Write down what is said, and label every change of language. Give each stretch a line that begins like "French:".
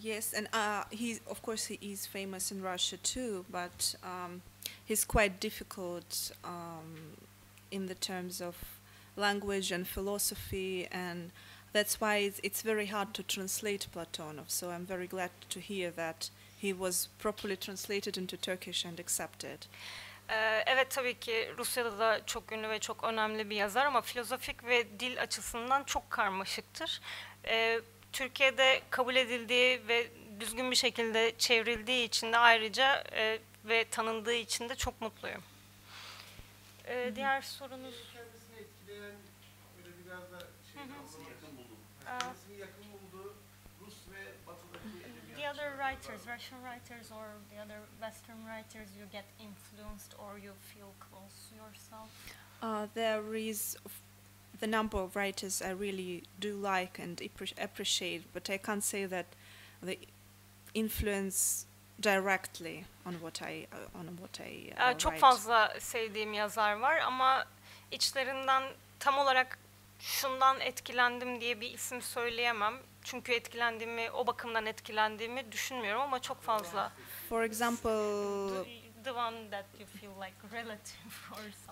English: Yes, and he is famous in Russia too, but he's quite difficult in the terms of language and philosophy, and that's why it's very hard to translate Platonov. So I'm very glad to hear that he was properly translated into Turkish and accepted.
Turkish: Evet, tabii ki Rusya'da da çok ünlü ve çok önemli bir yazar, ama filozofik ve dil açısından çok karmaşıktır. Türkiye'de kabul edildiği ve düzgün bir şekilde çevrildiği için de ayrıca ve tanındığı için de çok mutluyum. Diğer sorunuz? Kendisini etkileyen, böyle biraz da şey kendisini yakın bulduğu Rus ve
English: the other writers, Russian writers or the other Western writers, you get influenced or you feel close to yourself? There is the number of writers I really do like and appreciate, but I can't say that they influence directly on what I write.
Turkish: Çok fazla sevdiğim yazar var, ama içlerinden tam olarak şundan etkilendim diye bir isim söyleyemem. Çünkü etkilendiğimi, o bakımdan etkilendiğimi düşünmüyorum, ama çok fazla.
English: For example, the one that you feel like relative or something.